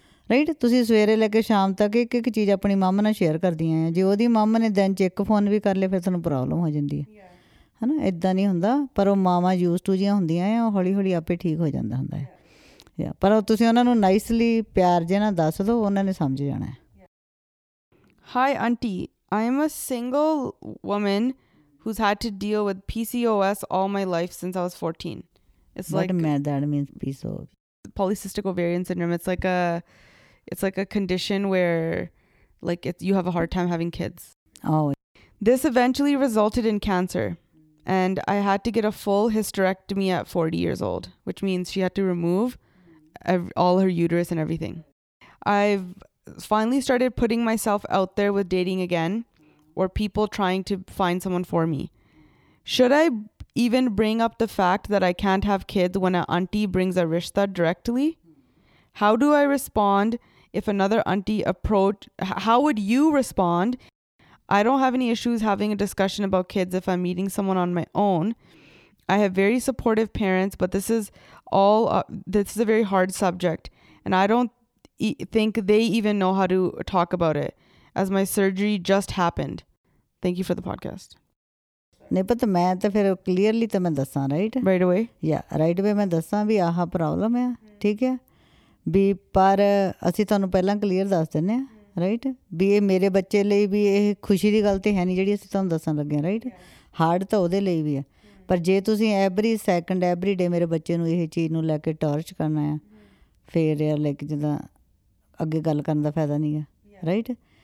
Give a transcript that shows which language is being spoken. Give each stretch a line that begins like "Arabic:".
Punjabi: Right ਤੁਸੀਂ ਸਵੇਰੇ ਲੈ ਕੇ ਸ਼ਾਮ ਤੱਕ ਇੱਕ ਇੱਕ ਚੀਜ਼ ਆਪਣੀ ਮੰਮ ਨਾਲ ਸ਼ੇਅਰ ਕਰਦੀਆਂ ਆ, ਜੇ ਉਹਦੀ ਮੰਮ ਨੇ ਦਿਨ 'ਚ ਇੱਕ ਫੋਨ ਵੀ ਕਰ ਲਿਆ ਫਿਰ ਤੁਹਾਨੂੰ ਪ੍ਰੋਬਲਮ ਹੋ ਜਾਂਦੀ ਹੈ, ਹੈ ਨਾ, ਇੱਦਾਂ ਨਹੀਂ ਹੁੰਦਾ, ਪਰ ਉਹ ਮਾਵਾਂ ਯੂਜ਼ ਟੂ ਜਿਹੀਆਂ ਹੁੰਦੀਆਂ ਆ, ਉਹ ਹੌਲੀ ਹੌਲੀ ਆਪੇ ਠੀਕ ਹੋ ਜਾਂਦਾ ਹੁੰਦਾ ਹੈ, ਪਰ ਤੁਸੀਂ ਉਹਨਾਂ ਨੂੰ ਨਾਈਸਲੀ ਪਿਆਰ ਜੇ ਨਾ ਦੱਸ ਦਿਉ, ਉਹਨਾਂ ਨੇ ਸਮਝ ਜਾਣਾ।
English: Hi aunty, I am a single woman who's had to deal with PCOS all my life since I was 14. It's what like mad that means PCO. Polycystic ovarian syndrome. It's like a condition where like it's, you have a hard time having kids. Oh. This eventually resulted in cancer and I had to get a full hysterectomy at 40 years old, which means she had to remove all her uterus and everything. I've finally started putting myself out there with dating again or people trying to find someone for me. Should I even bring up the fact that I can't have kids when an auntie brings a rishta directly? How do I respond if another auntie approach? How would you respond? I don't have any issues having a discussion about kids if I'm meeting someone on my own. I have very supportive parents, but this is a very hard subject, and I don't think they even know how to talk about it, as my surgery just happened. Thank you for the podcast.
Punjabi: ਨਹੀਂ ਪਤਾ, ਮੈਂ ਤਾਂ ਫਿਰ clearly ਤਾਂ ਮੈਂ ਦੱਸਾਂ, right
English: right way,
Punjabi: ਯਾ right ਵੇ ਮੈਂ ਦੱਸਾਂ ਵੀ ਆਹ ਪ੍ਰੋਬਲਮ ਆ, ਠੀਕ ਹੈ ਵੀ, ਪਰ ਅਸੀਂ ਤੁਹਾਨੂੰ ਪਹਿਲਾਂ ਕਲੀਅਰ ਦੱਸ ਦਿੰਦੇ ਹਾਂ, ਰਾਈਟ ਵੀ ਇਹ ਮੇਰੇ ਬੱਚੇ ਲਈ ਵੀ ਇਹ ਖੁਸ਼ੀ ਦੀ ਗੱਲ ਤਾਂ ਹੈ ਨਹੀਂ ਜਿਹੜੀ ਅਸੀਂ ਤੁਹਾਨੂੰ ਦੱਸਣ ਲੱਗੇ ਹਾਂ, ਰਾਈਟ, ਹਾਰਡ ਤਾਂ ਉਹਦੇ ਲਈ ਵੀ ਹੈ, ਪਰ ਜੇ ਤੁਸੀਂ
English: every second every day
Punjabi: ਮੇਰੇ ਬੱਚੇ ਨੂੰ ਇਹ ਚੀਜ਼ ਨੂੰ ਲੈ ਕੇ ਟੋਰਚ ਕਰਨਾ ਆ, ਫਿਰ ਯਾਰ ਲਾਈਕ ਜਿੱਦਾਂ ਅੱਗੇ ਗੱਲ ਕਰਨ ਦਾ ਫਾਇਦਾ ਨਹੀਂ ਹੈ, ਰਾਈਟ।